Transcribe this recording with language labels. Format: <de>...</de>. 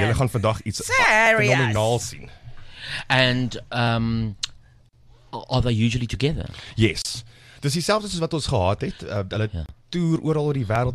<af>Julle gaan vandag iets fenomenaal sien.</af> <en>And are they usually together? Yes.</en> <af>Dis dieselfde soos wat ons gehad het. Hulle toer oral oor die wêreld.</af>